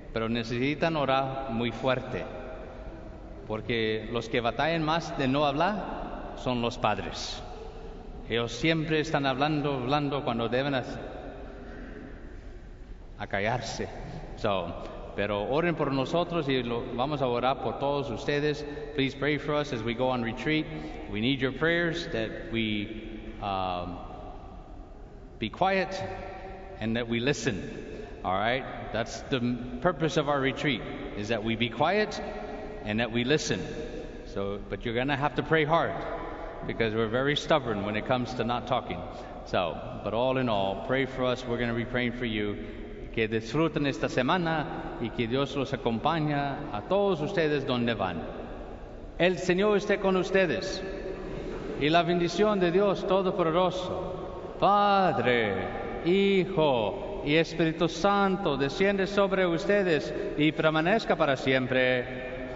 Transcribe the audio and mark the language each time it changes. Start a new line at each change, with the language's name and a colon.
Spanish: Pero necesitan orar muy fuerte. Porque los que batallan más de no hablar son los padres. Ellos siempre están hablando cuando deben acallarse. Pero oren por nosotros y vamos a orar por todos ustedes.
English: Please pray for us as we go on retreat. We need your prayers that we be quiet and that we listen. All right? That's the purpose of our retreat, is that we be quiet and that we listen. But you're going to have to pray hard. Because we're very stubborn when it comes to not talking. But all in all, pray for us. We're going to be praying for you.
Spanish: Que disfruten esta semana y que Dios los acompañe a todos ustedes donde van. El Señor esté con ustedes. Y la bendición de Dios Todopoderoso, Padre, Hijo y Espíritu Santo, desciende sobre ustedes y permanezca para siempre.